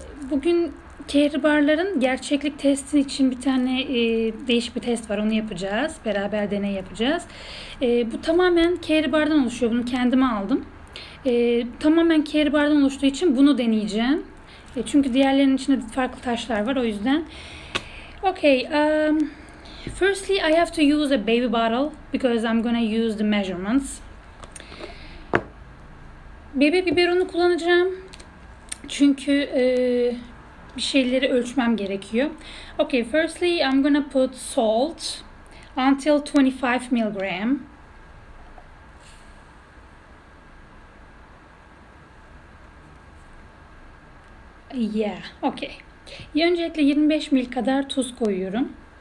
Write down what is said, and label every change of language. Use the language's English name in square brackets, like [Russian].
[Turkish] Bugün kehribarların gerçeklik testi için bir tane değişik bir test var. Onu yapacağız. Beraber deney yapacağız. Bu tamamen kehribardan oluşuyor. Bunu kendime aldım. Tamamen kehribardan oluştuğu için bunu deneyeceğim. Çünkü diğerlerinin içinde farklı taşlar var. O yüzden. [English] Okay, firstly I have to use a baby bottle because I'm gonna use the measurements. [Turkish] Bebe biberonu kullanacağım çünkü bir şeyleri ölçmem gerekiyor. [English] Okay, firstly I'm gonna put salt until 25 milligram. Yeah, okay. [Turkish] Öncelikle 25 ml kadar tuz koyuyorum.